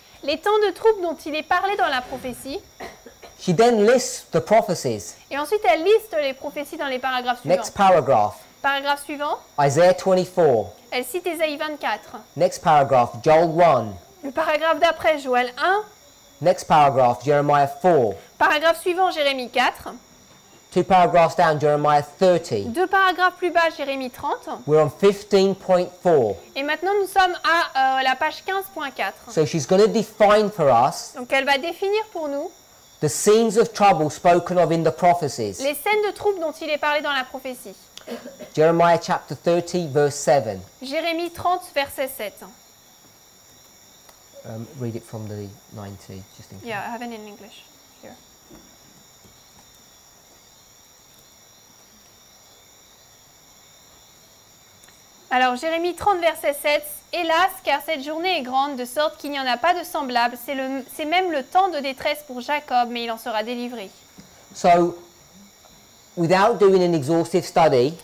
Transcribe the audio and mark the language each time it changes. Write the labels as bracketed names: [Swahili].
[French] Les temps de troubles dont il est parlé dans la prophétie. [English] She then lists the prophecies. [French] Et ensuite elle liste les prophéties dans les paragraphes suivants. [English] Next paragraph. [French] Paragraphe suivant. [English] Isaiah 24. [French] Elle cite Ésaïe 24. [English] Next paragraph, Joel 1. [French] Le paragraphe d'après, Joël 1. [English] Next paragraph, Jeremiah 4. [French] Paragraphe suivant, Jérémie 4. [English] Two paragraphs down, Jeremiah 30. [French] Deux paragraphes plus bas, Jérémie 30. [English] We're on 15.4. [French] Et maintenant, nous sommes à la page 15.4. [English] So she's going to define for us. [French] Donc, elle va définir pour nous. [English] The scenes of trouble spoken of in the prophecies. [French] Les scènes de troubles dont il est parlé dans la prophétie. [English] Jeremiah chapter 30, verse 7. [French] Jérémie 30, verset 7. [English] Read it from the 90, just in case. Yeah, I have it in English. [French] Alors, Jérémie 30, verset 7. « Hélas, car cette journée est grande, de sorte qu'il n'y en a pas de semblable. C'est même le temps de détresse pour Jacob, mais il en sera délivré. » [English] So, without doing an exhaustive study,